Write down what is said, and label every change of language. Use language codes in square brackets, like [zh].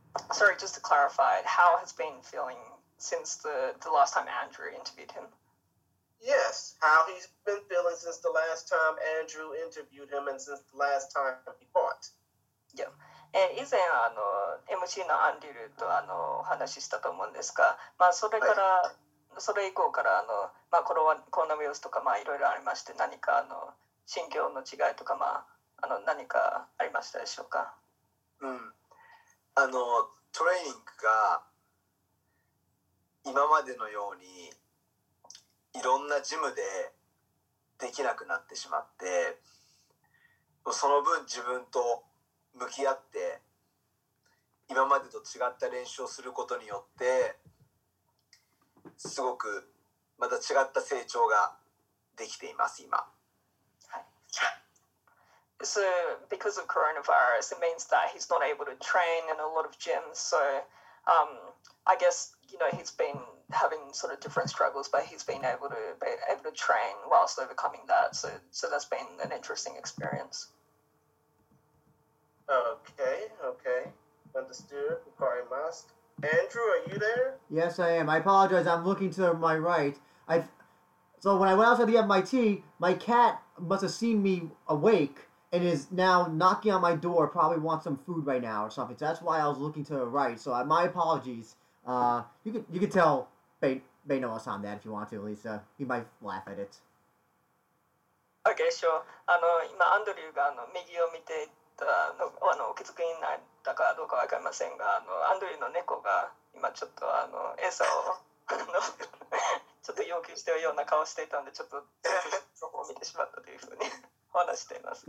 [en] Sorry, just to clarify, how has been feeling since the last time Andrew interviewed him? Yes, how he's been feeling since the last time Andrew interviewed him and since the last time he fought. Yeah. [ja] 以前MC のアンリュルとお話ししたと思うんですが、まあ、それから、はい、それ以降からまあ、コロナウイルスとか、まあ、いろいろありまして、何か心境の違いとか、まあ、何かありましたでしょうか？うん、トレーニングが今までのようにいろんなジムでできなくなってしまって、その分自分と向き合って今までと違った練習をすることによってすごくまた違った成長ができています今。はい。 [en] So because of coronavirus, it means that he's not able to train in a lot of gyms. So, I guess you know he's been having sort of different struggles, but he's been able to train whilst overcoming that. So that's been an interesting experience. Okay, understood. Kaimasu. Andrew, are you there? Yes, I am. I apologize. I'm looking to my right. So when I went outside to get my tea, my cat must have seen me awake and is now knocking on my door, probably wants some food right now or something. So that's why I was looking to the right. So my apologies. You could tell Beinoas on that if you want to, Lisa. He might laugh at it. Okay, sure. [ja] 今、アンドリューが右を見ていたのが、お気づきになったかどうかわかりませんが、アンドリューの猫が今ちょっと餌をちょっと要求しているような顔をしていたので、ちょっとそこを見てしまったというふうに話しています。